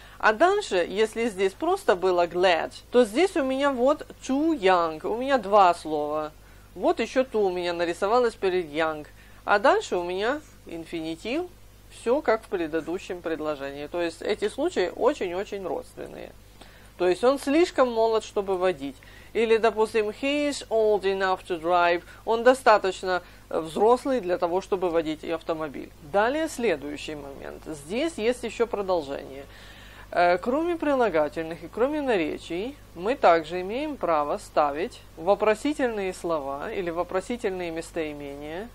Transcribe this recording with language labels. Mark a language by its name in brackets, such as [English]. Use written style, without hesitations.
[Russian] А дальше, если здесь просто было glad, то здесь у меня вот too young, у меня два слова. Вот еще to у меня нарисовалось перед young. А дальше у меня инфинитив, все как в предыдущем предложении. То есть эти случаи очень-очень родственные. То есть он слишком молод, чтобы водить. Или, допустим, [English] he is old enough to drive. [Russian] Он достаточно взрослый для того, чтобы водить автомобиль. Далее следующий момент. Здесь есть еще продолжение. Кроме прилагательных и кроме наречий, мы также имеем право ставить вопросительные слова или вопросительные местоимения.